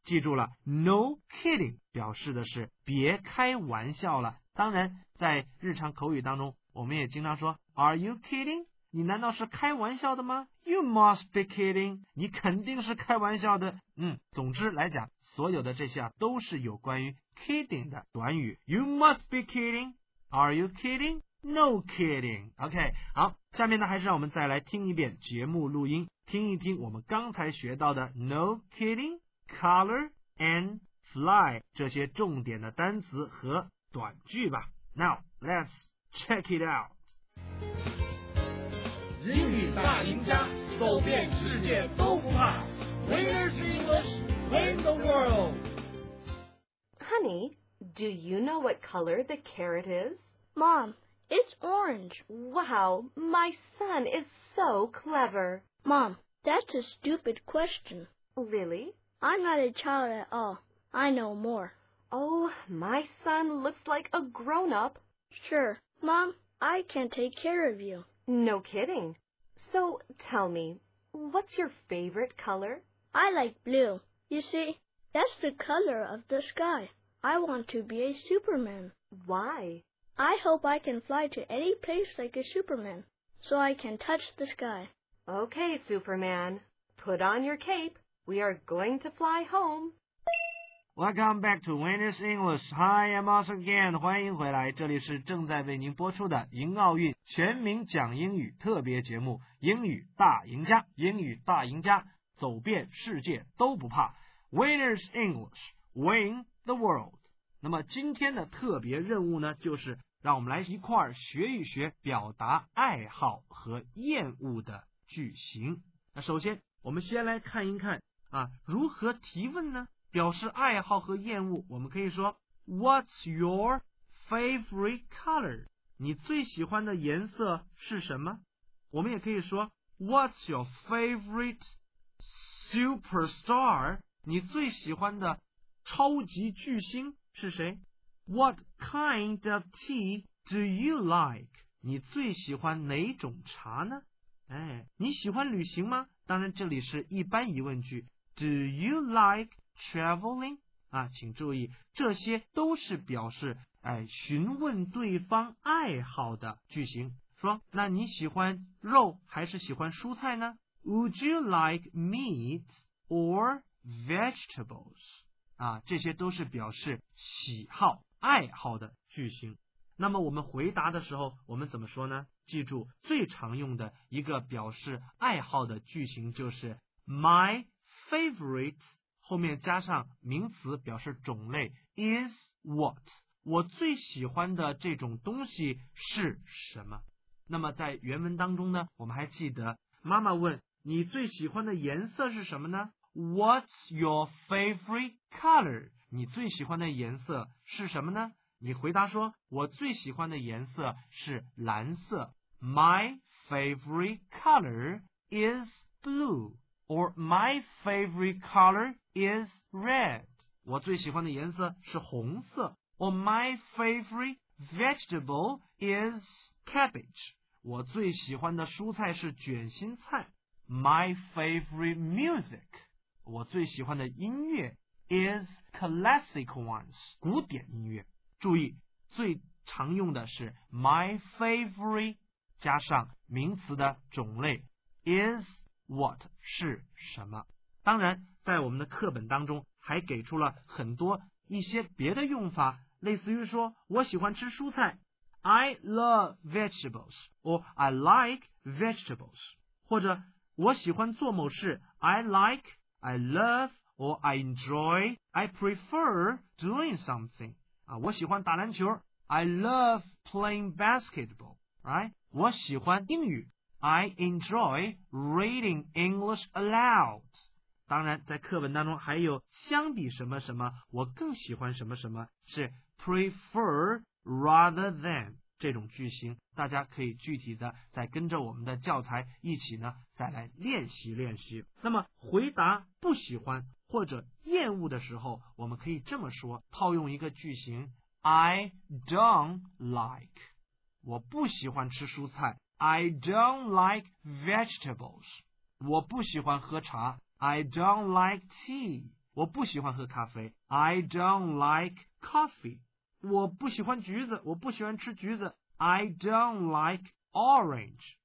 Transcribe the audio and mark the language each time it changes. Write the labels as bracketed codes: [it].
[zh] 记住了， [en] No kidding [zh] 表示的是别开玩笑了。当然在日常口语当中我们也经常说 [en] Are you kidding? [zh] 你难道是开玩笑的吗？ [en] You must be kidding, [zh] 你肯定是开玩笑的。嗯，总之来讲所有的这些、啊、都是有关于 kidding 的短语。 [en] You must be kidding, Are you kidding? No kidding. [zh] OK, 好，下面呢还是让我们再来听一遍节目录音，听一听我们刚才学到的 [en] No kidding, [zh] color, and fly 这些重点的单词和短句吧。 [en] Now, let's check it out. [zh] 英语大赢家，走遍世界都不怕。 [en] Winners English, win the world. Honey, do you know what color the carrot is? Mom,It's orange. Wow, my son is so clever. Mom, that's a stupid question. Really? I'm not a child at all. I know more. Oh, my son looks like a grown-up. Sure. Mom, I can take care of you. No kidding. So, tell me, what's your favorite color? I like blue. You see, that's the color of the sky. I want to be a Superman. Why? I hope I can fly to any place like a Superman, so I can touch the sky. Okay, Superman, put on your cape. We are going to fly home. Welcome back to Winners English. Hi, I'm Oz again. [zh] 欢迎回来，这里是正在为您播出的赢奥运全民讲英语特别节目《英语大赢家》。英语大赢家，走遍世界都不怕。 Winners English, win the world. 那么今天的特别任务呢，就是让我们来一块儿学一学表达爱好和厌恶的句型。那首先我们先来看一看啊，如何提问呢？表示爱好和厌恶，我们可以说 [en] What's your favorite color? [zh] 你最喜欢的颜色是什么？我们也可以说 [en] What's your favorite superstar? [zh] 你最喜欢的超级巨星是谁？ [en] What kind of tea do you like? [zh] 你最喜欢哪种茶呢？哎，你喜欢旅行吗？当然这里是一般疑问句， [en] Do you like traveling? [zh] 啊，请注意这些都是表示哎询问对方爱好的句型。说那你喜欢肉还是喜欢蔬菜呢？ [en] Would you like meat or vegetables? [zh] 啊，这些都是表示喜好、爱好的句型。那么我们回答的时候，我们怎么说呢？记住，最常用的一个表示爱好的句型就是 [en] My favorite [zh] 后面加上名词表示种类 [en] is what， [zh] 我最喜欢的这种东西是什么。那么在原文当中呢，我们还记得妈妈问你最喜欢的颜色是什么呢？ [en] What's your favorite color？ [zh] 你最喜欢的颜色是什么呢？你回答说我最喜欢的颜色是蓝色。 [en] My favorite color is blue or my favorite color is red， [zh] 我最喜欢的颜色是红色。 [en] or my favorite vegetable is cabbage， [zh] 我最喜欢的蔬菜是卷心菜。 [en] My favorite music， [zh] 我最喜欢的音乐 [en] is classic ones， [zh] 古典音乐。注意，最常用的是 [en] my favorite [zh] 加上名词的种类 [en] is what [zh] 是什么。当然在我们的课本当中还给出了很多一些别的用法，类似于说我喜欢吃蔬菜 [en] I love vegetables or I like vegetables， [zh] 或者我喜欢做某事 [en] I like, I love or I enjoy, I prefer doing something [zh] 啊，我喜欢打篮球 [en] I love playing basketball、 right? [zh] 我喜欢英语 [en] I enjoy reading English aloud。 [zh] 当然在课文当中还有相比什么什么我更喜欢什么什么，是 prefer rather than 这种句型，大家可以具体的再跟着我们的教材一起呢再来练习练习。那么回答不喜欢或者厌恶的时候，我们可以这么说，套用一个句型 [en] I don't like， [zh] 我不喜欢吃蔬菜 [en] I don't like vegetables， [zh] 我不喜欢喝茶 [en] I don't like tea， [zh] 我不喜欢喝咖啡 [en] I don't like coffee， [zh] 我不喜欢橘子，我不喜欢吃橘子 [en] I don't like orange。